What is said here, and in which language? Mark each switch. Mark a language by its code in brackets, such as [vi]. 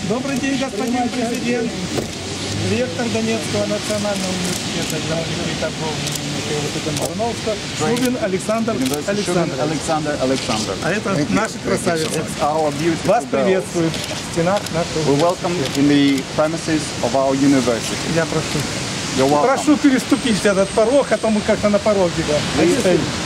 [ru] Добрый день, господин президент! Ректор Донецкого национального университета и торговли. Шубин Александр Александр. Александр. А это наши красавицы. Вас приветствуют в стенах нашего. [en] We welcome in the premises of our university. [ru] Я прошу. [en] You're welcome. [ru] Прошу переступить этот порог, а то мы как-то на пороге. Да.